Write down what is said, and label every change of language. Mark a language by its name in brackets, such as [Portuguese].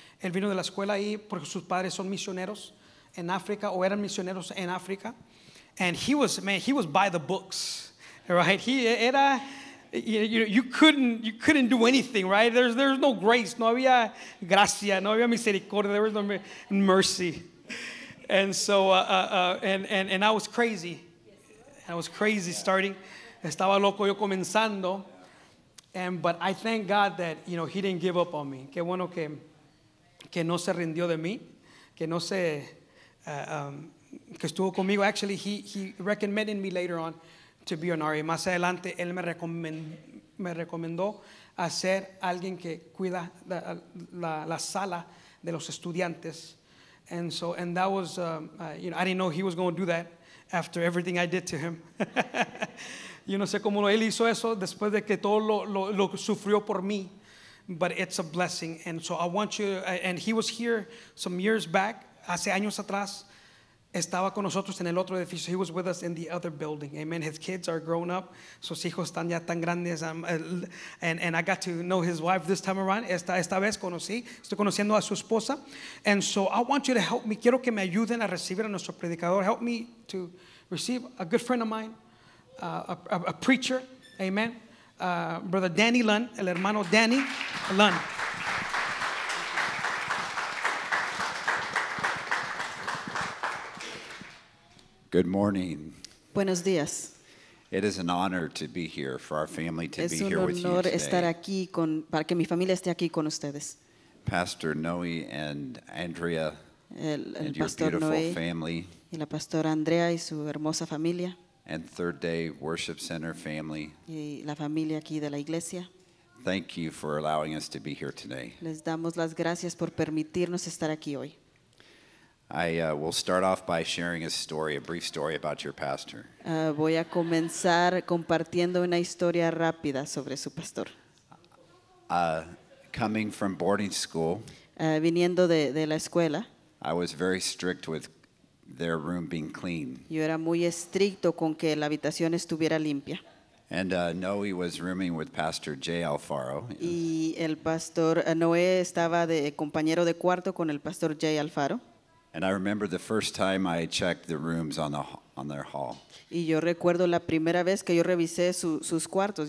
[Spanish] Él vino de la escuela ahí porque sus padres son misioneros en África, o eran misioneros en África. [English] And he was, man, he was by the books, right? He [Spanish] era, [English] you couldn't do anything, right? There's no grace. [Spanish] No había gracia. No había misericordia. [English] There was no mercy. And so, and I was crazy. I was crazy starting. [Spanish] Estaba loco yo comenzando. [English] But I thank God that, you know, he didn't give up on me. [Spanish] Qué bueno que no se rindió de mí. Que no se... que estuvo conmigo. [English] Actually, he recommended me later on to be an RA. [Spanish] Más adelante, él me recomendó a ser alguien que cuida la sala de los estudiantes. [English] And so, and that was, you know, I didn't know he was going to do that after everything I did to him. [Spanish] Yo no sé cómo él hizo eso después de que todo lo sufrió por mí. [English] But it's a blessing. And so I want you, and he was here some years back, [Spanish] hace años atrás. Estaba con nosotros en el otro edificio. [English] He was with us in the other building. Amen. His kids are grown up. [Spanish] Sus hijos están ya tan grandes. [English] And I got to know his wife this time around. [Spanish] Esta vez conocí. Estoy conociendo a su esposa. [English] And so I want you to help me. [Spanish] Quiero que me ayuden a recibir a nuestro predicador. [English] Help me to receive a good friend of mine, a preacher. Amen. Brother Danny Lunn, el hermano Danny Lunn. Good morning. [Spanish] Buenos días. [English] It is an honor to be here for our family to be here with you today. [Spanish] Es un honor estar aquí con para que mi familia esté aquí con ustedes. [English] Pastor Noe and Andrea, [Spanish] el [English] and your beautiful Noe family. [Spanish] Y la pastora Andrea y su hermosa familia. [English] And Third Day Worship Center family. [Spanish] Y la familia aquí de la iglesia. [English] Thank you for allowing us to be here today. [Spanish] Les damos las gracias por permitirnos estar aquí hoy. [English] I will start off by sharing a story, a brief story about your pastor. [Spanish] Voy a comenzar compartiendo una historia rápida sobre su pastor. [English] Coming from boarding school, [Spanish] viniendo de la escuela, [English] I was very strict with their room being clean. [Spanish] Yo era muy estricto con que la habitación estuviera limpia. [English] And Noe was rooming with Pastor Jay Alfaro. [Spanish] Y el pastor Noe estaba de compañero de cuarto con el pastor Jay Alfaro. [English] And I remember the first time I checked the rooms on their hall. [Spanish] Y yo recuerdo la primera vez que yo revisé sus cuartos.